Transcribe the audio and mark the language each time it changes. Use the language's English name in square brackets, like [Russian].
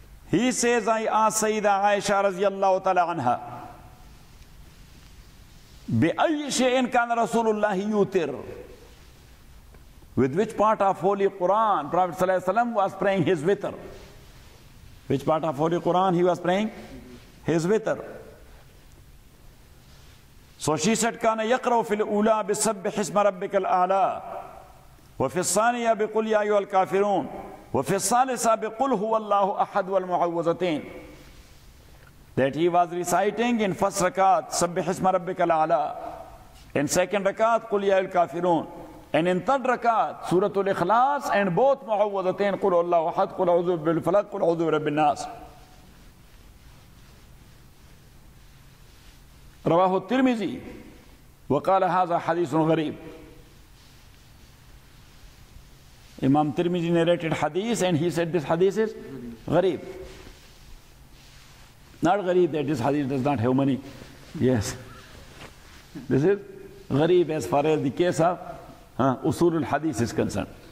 [English] He says, I asked Sayyida Aisha radiallahu ta'ala anha, [Arabic] bi ayy shay'in kana Rasulullah yutir. [English] With which part of Holy Quran Prophet sallallahu alayhi wa sallam was praying his witr? Which part of Holy Quran he was praying? His witr. So she said, [Arabic] كان يقرأ في الأولى بسبح اسم ربك الأعلى وفي الثانية بقول يا أيها الكافرون وفي الثالثة بقول هو الله أحد والمعوذتين. [English] That he was reciting in first rakat [Arabic] سبح اسم ربك الأعلى, [English] in second rakat [Arabic] قول يا أيها الكافرون, [English] and in third rakat Surah Al-Ikhlas, and both [Arabic] معوذتين قول الله أحد قول أعوذ بالفلق قول أعوذ برب الناس. رواه الترمذي وقال هذا حديث غريب. [English] Imam Tirmidhi narrated hadith and he said this hadith is غريب. Not غريب that this hadith does not have money. Yes. This is غريب as far as the case of usul al-hadith is concerned.